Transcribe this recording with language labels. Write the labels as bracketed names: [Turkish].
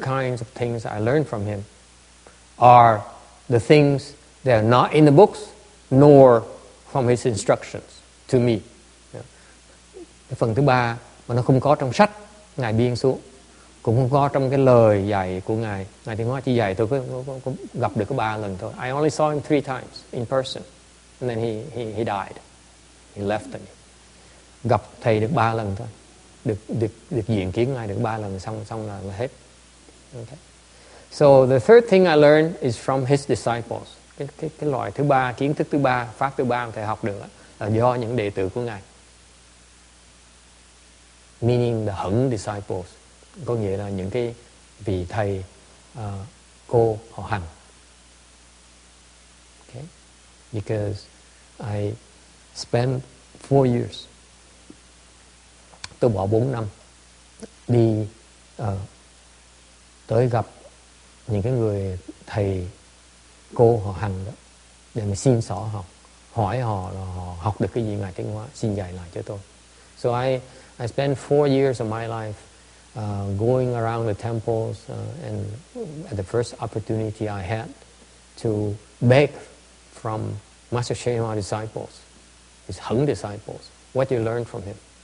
[English] kinds of things I learned from him are the things that are not in the books nor from his instructions to me. [Vietnamese] Cái phần thứ ba mà nó không có trong sách Ngài biên xuống, cũng không có trong cái lời dạy của Ngài. Ngài Tiên Hóa chỉ dạy tôi có gặp được có ba lần thôi. [English] I only saw him three times in person and then he died. He left me. [Vietnamese] Gặp thầy được ba lần thôi. Được diện kiến ngài được ba lần xong là hết. [English] Okay. So the third thing I learned is from his disciples. [Vietnamese] Cái loại thứ ba, kiến thức thứ ba, pháp thứ ba mà thầy học được là do những đệ tử của ngài. [English] Meaning the hẳn disciples, [Vietnamese] có nghĩa là những cái vị thầy cô họ hành. [English] Okay. Because I spent 4 years. [Vietnamese] Tôi bỏ 4 năm đi tới gặp những cái người thầy cô họ hàng đó để mà xin xỏ học, hỏi họ là họ học được cái gì Ngài Tiên Hóa, xin dạy lại cho tôi. [English] So I spent 4 years of my life going around the temples and at the first opportunity I had to beg from Master Shema disciples, his Hung disciples, what you learned from him.